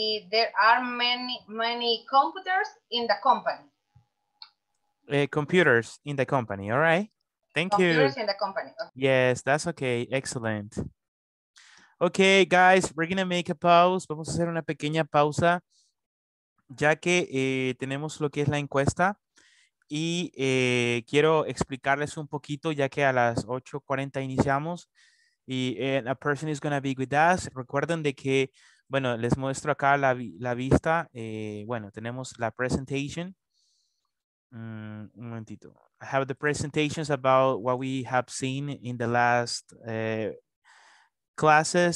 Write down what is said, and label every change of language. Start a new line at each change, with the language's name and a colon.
English: There are many computers in the company. Computers in the company, all right. Thank computers you. Computers in the company. Okay. Yes, that's okay. Excellent. Okay, guys, we're going to make a pause.
Spanish: Vamos a hacer una pequeña pausa, ya que tenemos lo que es la encuesta. Y quiero explicarles un poquito, ya que a las 8:40 iniciamos y
English: a person is going to be with us.
Spanish: Recuerden de que, bueno, les muestro acá la vista. Bueno, tenemos la presentation. Un momentito.
English: I have the presentations about what we have seen in the last classes.